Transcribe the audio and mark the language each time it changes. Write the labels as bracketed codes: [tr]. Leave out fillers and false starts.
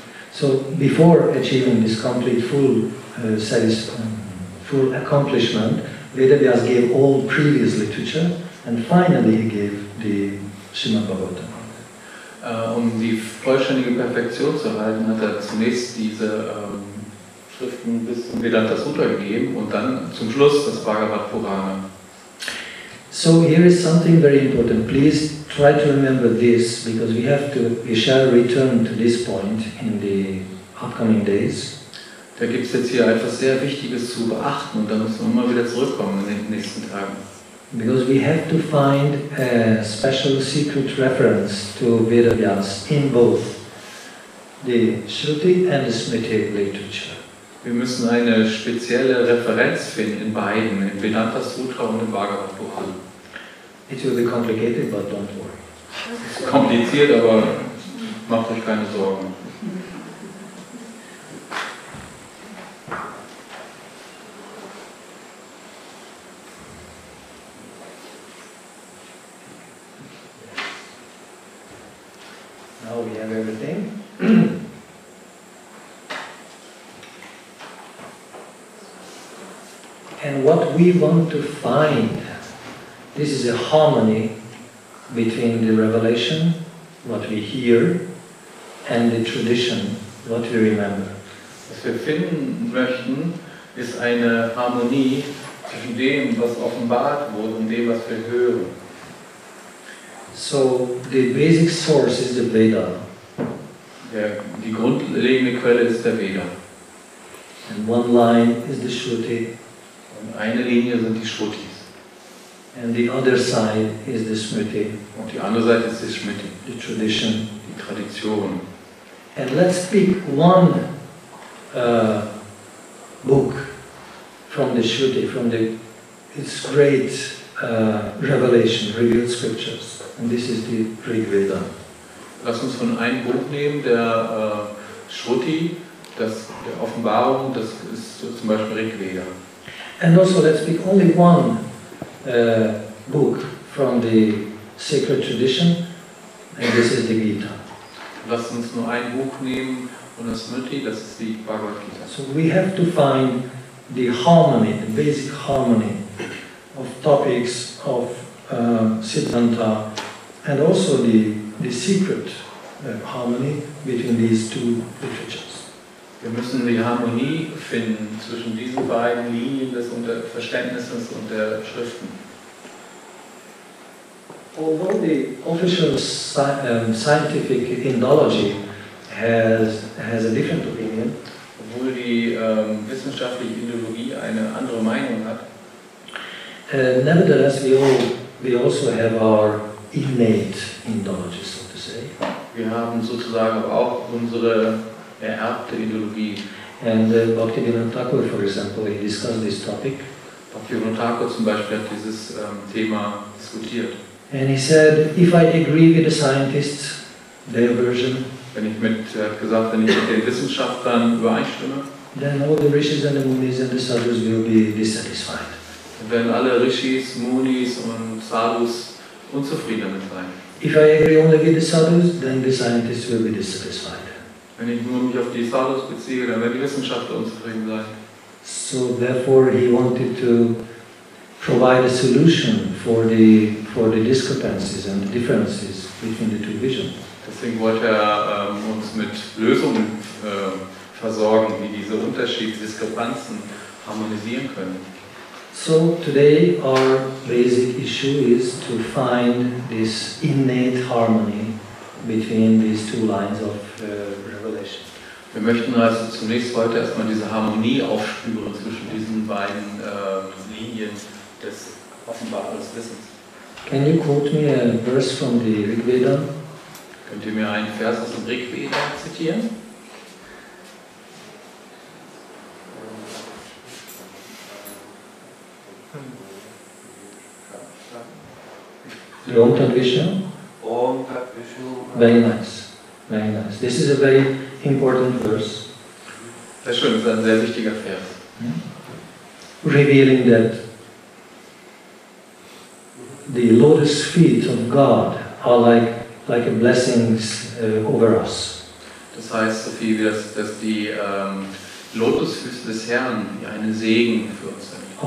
[en] So before achieving this complete full satisfying. Full accomplishment, Vedavyas gave all previous literature and finally he gave the Srimad Bhagavatam. [de] Um die vollständige Perfektion zu erhalten, hat zunächst diese Schriften bis zum Vedanta Sutra gegeben und dann zum Schluss das Bhagavad Purana. [en] So here is something very important. Please try to remember this because we shall return to this point in the upcoming days. [de] Da gibt es jetzt hier etwas sehr Wichtiges zu beachten und da müssen wir immer wieder zurückkommen in den nächsten Tagen. [en] Because we have to find a special secret reference to Vedavyas in both the Shruti and the Smriti literature. [de] Wir müssen eine spezielle Referenz finden in beiden, in Vedanta Sutra und im Bhagavad Puran. [en] It will be complicated, but don't worry. [de] Es ist kompliziert, aber macht euch keine Sorgen. [en] Now we have everything. And what we want to find, this is a harmony between the revelation what we hear, and the tradition, what we remember. [de] Was wir finden möchten, ist eine Harmonie zwischen dem, was offenbart wurde, und dem, was wir hören. [en] So the basic source is the Veda. [de] Die grundlegende Quelle ist der Veda. [en] And one line is the Shruti. [de] Und eine Linie sind die Shrutis. [en] And the other side is the Smriti. [de] Und die andere Seite ist die Smriti. [en] The tradition. [de] Die Tradition. [en] And let's pick one book from the Shruti, from the its great revelation, revealed scriptures. And this is the Rig Veda. [de] Lass uns von einem Buch nehmen, der Shruti, das der Offenbarung, das ist zum Beispiel Rig Veda. [en] And also let's pick only one book from the sacred tradition, and this is the Gita. [de] Lass uns nur ein Buch nehmen von der Smriti, das ist die Bhagavad Gita. [en] So we have to find the harmony, the basic harmony of topics of Siddhanta, and also the secret harmony between these two literatures. [de] Wir müssen die Harmonie finden zwischen diesen beiden Linien des Verständnisses und der Schriften. [en] Although the official scientific Indology has a different opinion, [de] obwohl die wissenschaftliche Indologie eine andere Meinung hat, [en] nevertheless we also have our innate Indology, so to say. [de] Wir haben sozusagen auch unsere ererbte Ideologie. [en] And Bhaktivinoda Thakur, for example, he discussed this topic. [de] Bhaktivinoda Thakur zum Beispiel hat dieses Thema diskutiert. [en] And he said, if I agree with the scientists, their version, [de] wenn ich mit den Wissenschaftlern übereinstimme, [en] then all the Rishis and the Munis and the Sadhus will be dissatisfied. [de] Wenn alle Rishis, Munis und Sadhus unzufrieden damit sein. [en] If I agree only with the Sadhus, then the scientists will be dissatisfied. [de] Wenn ich nur mich auf die Sadhus beziehe, dann werden die Wissenschaftler unzufrieden sein. [en] So therefore he wanted to provide a solution for the discrepancies and the differences between the two visions. [de] Deswegen wollte er uns mit Lösungen versorgen, die diese Unterschiede, Diskrepanzen harmonisieren können. [en] So today our basic issue is to find this innate harmony between these two lines of revelation. [de] Wir möchten also zunächst heute erstmal diese Harmonie aufspüren zwischen diesen beiden Linien des offenbaren Wissens. [en] Can you quote me a verse from the Rig Veda? [de] Könnt ihr mir einen Vers aus dem Rig Veda zitieren? [sa] Om Tat Vishnu. Om Tat Vishnu. [en] Very nice. Very nice. This is a very important verse. [de] Sehr schön, das ist ein sehr wichtiger Vers. [en] Revealing that the lotus feet of God are like a blessings over us. [de] Das heißt so viel, dass die Lotusfüße des Herrn einen Segen für uns sind.